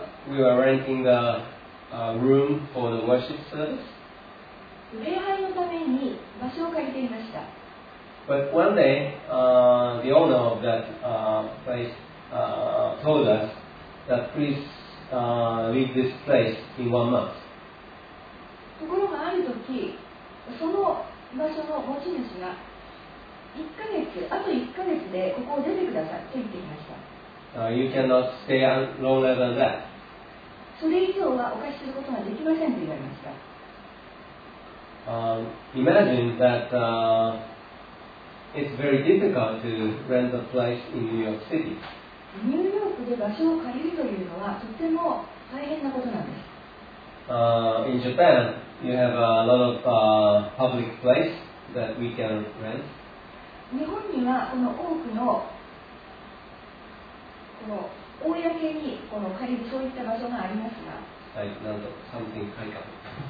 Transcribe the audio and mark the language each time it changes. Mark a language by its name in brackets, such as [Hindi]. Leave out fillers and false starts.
[English] we were renting a room for the worship service. [Japanese] 礼拝のために場所を借りていました。 [English] But one day, the owner of that placeTold us that please leave this place in 1 month. [Japanese] ところがある時、その場所の持ち主が1ヶ月、あと1ヶ月でここを出てくださいと言っていました。 [English] You cannot stay longer than that. [Japanese] それ以上はお貸しすることができませんと言われました。 [English] Imagine that it's very difficult to rent a place in New York City. [Japanese] ニューヨークで場所を借りるというのはとても大変なことなんです。 [English] In Japan, you have a lot of public place that we can rent. [Japanese] 日本にはこの多くのこの公にこの借りるそういった場所がありますが、はい、なんと [English] something [Japanese] 会館。